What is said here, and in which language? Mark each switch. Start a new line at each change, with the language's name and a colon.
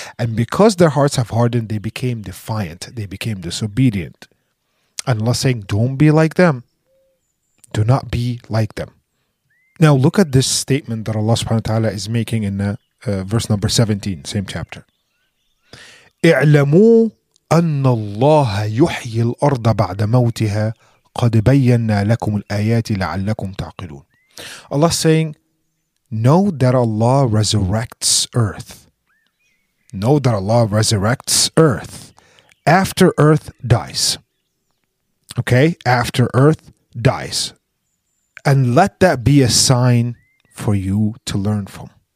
English: And because their hearts have hardened, they became defiant. They became disobedient. And Allah saying, don't be like them. Do not be like them. Now look at this statement that Allah subhanahu wa ta'ala is making in verse number 17, same chapter.
Arabic: اعلموا أن الله يحيي الأرض بعد موتها قد بينا لكم الآيات لعلكم تعقلون.
English: Allah saying, know that Allah resurrects earth. Know that Allah resurrects earth after earth dies. Okay, after earth dies. And let that be a sign for you to learn from.